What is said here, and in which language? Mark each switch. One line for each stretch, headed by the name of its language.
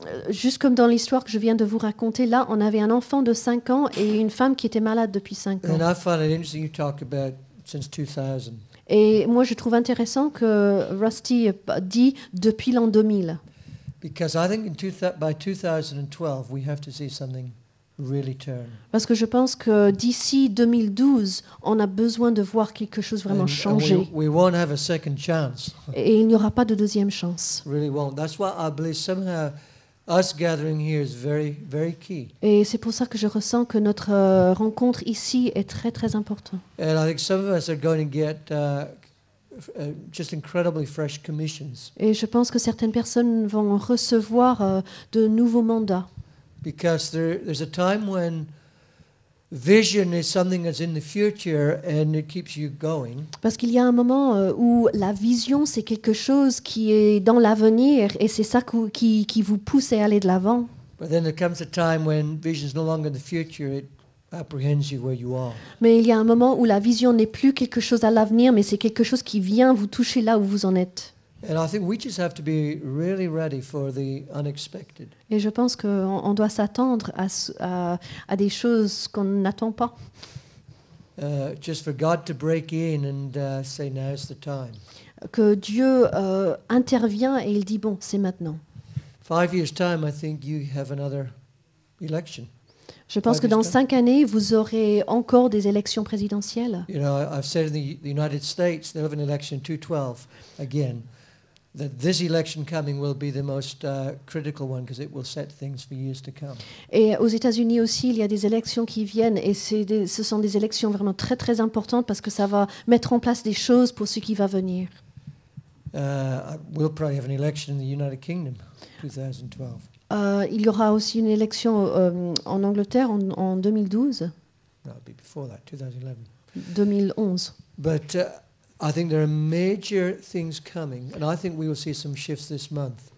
French: Juste comme dans l'histoire que je viens de vous raconter, là, on avait un enfant de 5 ans et une femme qui était malade depuis 5 ans.
English: And I find it interesting you talk about since 2000.
French: Et moi, je trouve intéressant que Rusty dit depuis l'an 2000.
English: Because I think by 2012, we have to see something. Really turn.
French: Parce que je pense que d'ici 2012, on a besoin de voir quelque chose vraiment changer.
English: We won't have a second chance.
French: Et il n'y aura pas de deuxième chance.
English: Really won't. That's why I believe somehow us gathering here is very, very key.
French: Et c'est pour ça que je ressens que notre rencontre ici est très, très importante.
English: And I think some of us are going to get just incredibly fresh commissions.
French: Et je pense que certaines personnes vont recevoir de nouveaux mandats.
English: Because there's a time when vision is something that's in the future and it keeps you going.
French: Parce qu'il y a un moment où la vision c'est quelque chose qui est dans l'avenir et c'est ça qui vous pousse à aller de l'avant.
English: But then there comes a time when vision is no longer in the future, it apprehends you where you are.
French: Mais il y a un moment où la vision n'est plus quelque chose à l'avenir, mais c'est quelque chose qui vient vous toucher là où vous en êtes.
English: And I think we just have to be really ready for the unexpected.
French: Et je pense que on doit s'attendre à des choses qu'on n'attend pas.
English: Just for God to break in and say now's the time.
French: Que Dieu intervient et il dit bon, c'est maintenant.
English: 5 years time, I think you have another election.
French: Je pense que dans 5 années, vous aurez encore des élections présidentielles.
English: You know, I've said in the United States, they'll have an election 2012 again. That this election coming will be the most critical one because it will set things for years to come.
French: Et aux États-Unis aussi, il y a des élections qui viennent et ce sont des élections vraiment très très importantes parce que ça va mettre en place des choses pour ce qui va venir.
English: We'll probably have an election in the United Kingdom, 2012.
French: Il y aura aussi une élection en Angleterre en 2012.
English: No, be before that, 2011.
French: 2011.
English: But I think there are major things coming, and I think we will see some shifts this month.